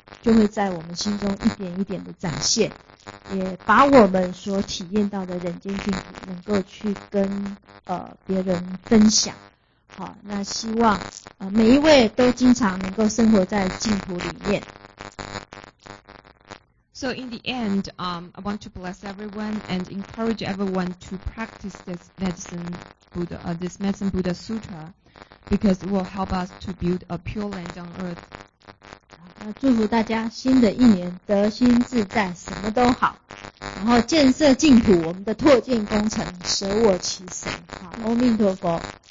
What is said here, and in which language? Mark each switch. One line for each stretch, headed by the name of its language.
Chinese: 就会在我们心中一点一点的展现，也把我们所体验到的人间净土能够去跟别人分享。好，那希望每一位都经常能够生活在净土里面。
English: So in the end, I want to bless everyone and encourage everyone to practice this medicine Buddha sutra, because it will help us to build a pure land on earth.
Chinese: 那祝福大家新的一年得心自在，什么都好。然后建设净土，我们的拓建工程舍我其谁。好，阿弥陀佛。